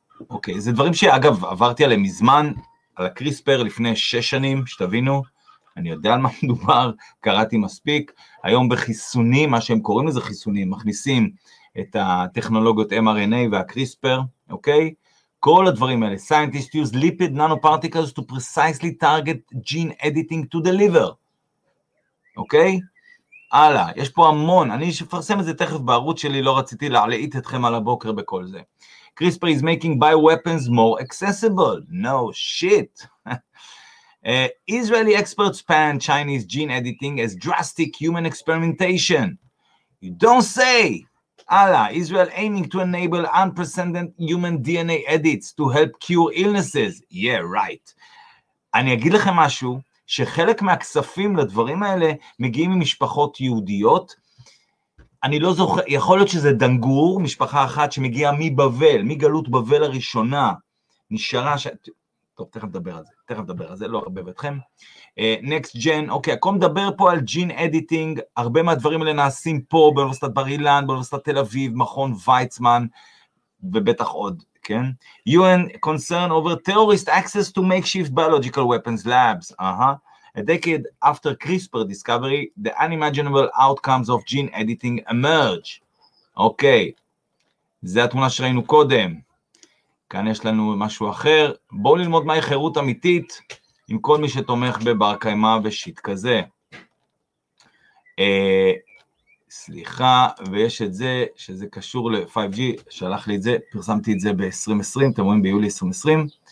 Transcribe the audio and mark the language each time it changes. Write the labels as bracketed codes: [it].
[he] אוקיי, זה דברים שאגב עברתי עליהם מזמן, על הקריספר לפני 6 שנים, שתבינו, אני יודע על מה מדובר, קראתי מספיק, היום בחיסונים, מה שהם קוראים לזה חיסונים, מכניסים את הטכנולוגיות mRNA והקריספר, אוקיי? כל הדברים האלה, [en] scientists use lipid nanoparticles to precisely target gene editing to the liver, אוקיי? [he] הלאה, יש פה המון, אני אפרסם את זה תכף בערוץ שלי, לא רציתי להעלית אתכם על הבוקר בכל זה. [en] CRISPR is making bioweapons more accessible. No shit. Israeli experts pan Chinese gene editing as drastic human experimentation. You don't say. Allah, Israel aiming to enable unprecedented human DNA edits to help cure illnesses. Yeah, right. [he] אני אגיד לכם משהו, שחלק מהכספים לדברים האלה מגיעים ממשפחות יהודיות. אני לא זוכר, יכול להיות שזה דנגור, משפחה אחת שמגיעה מבבל, מגלות בבל הראשונה, נשארה ש... טוב, תכף נדבר על זה, לא ארבב אתכם. Next Gen, אוקיי, אקום מדבר פה על ג'ין אדיטינג, הרבה מהדברים האלה נעשים פה, באוניברסיטת בר אילן, באוניברסיטת תל אביב, מכון ויצמן, ובטח עוד, כן? [en] UN concern over terrorist access to makeshift biological weapons labs, A decade after CRISPR discovery, the unimaginable outcomes of gene editing emerge. [he] אוקיי, זה התמונה שראינו קודם. כאן יש לנו משהו אחר. בואו ללמוד מהי חירות אמיתית עם כל מי שתומך בבר קיימא ושיט כזה. סליחה, ויש את זה שזה קשור ל-5G, שלח לי את זה, פרסמתי את זה ב-2020, אתם רואים ביולי 2020.